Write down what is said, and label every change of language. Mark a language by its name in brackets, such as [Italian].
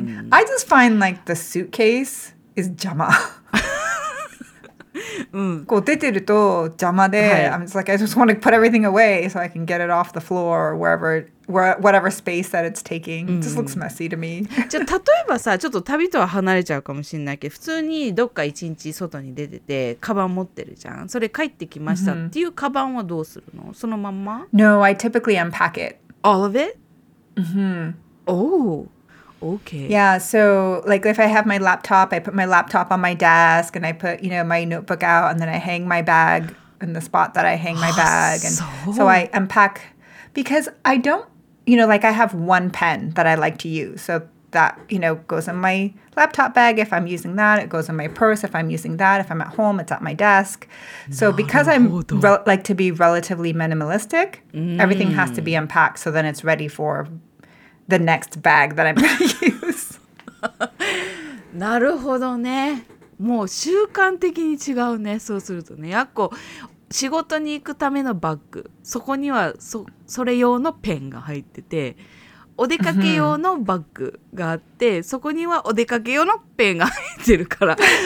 [English] I just find like the suitcase is [Japanese] 邪魔。うん、こう出てると邪魔で、はい、 [English] I'm just like, I just want to put everything away so I can get it off the floor or wherever, whatever space that it's taking. It just looks messy to me. [Japanese] じゃあ例えばさ、ちょっと旅とは離れちゃうかもしれないけど、普通にどっか一日外に出てて、カバン持ってるじゃん。それ帰ってきましたっていうカバンはどうするの？そのまんま？ [English] No, I typically unpack it. All of it? Oh, okay. Yeah, so like if I have my laptop, I put my laptop on my desk and I put, you know, my notebook out and then I hang my bag in the spot that I hang my bag. And so I unpack because I don't, you know, like I have one pen that I like to use. So that, you know, goes in my laptop bag if I'm using that. It goes in my purse if I'm using that. If I'm at home, it's at my desk. So because I'm like to be relatively minimalistic, everything has to be unpacked. So then it's ready for... The next bag that I'm going to use. [Japanese] なるほどね。もう習慣的に違うね。そうするとね。やっこ、仕事に行くためのバッグ。そこには それ用のペンが入ってて、お出かけ用のバッグがあって、そこにはお出かけ用のペンが入ってるから。